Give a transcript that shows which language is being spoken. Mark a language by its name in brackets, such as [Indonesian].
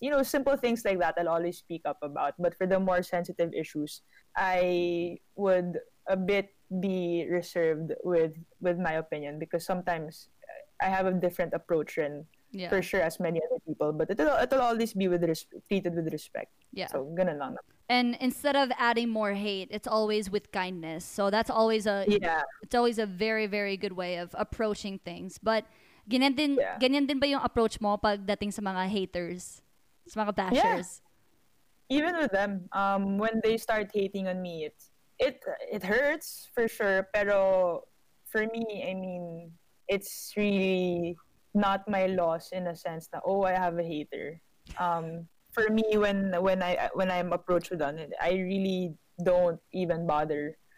[English] You know, simple things like that I'll always speak up about. But for the more sensitive issues, I would a bit be reserved with my opinion because sometimes I have a different approach and yeah. For sure, as many other people, but it'll always be treated with respect. Yeah. [Filipino] So, ganun lang. [English] And instead of adding more hate, it's always with kindness. So that's always it's always a very, very good way of approaching things. [Filipino] But ganyan din ba yung approach mo pagdating sa mga haters, sa mga bashers? [English] Yeah. Even with them, when they start hating on me, it hurts for sure. Pero for me, I mean, it's really not my loss in a sense that, oh, I have a hater. For me, when I'm approached with it, I really don't even bother.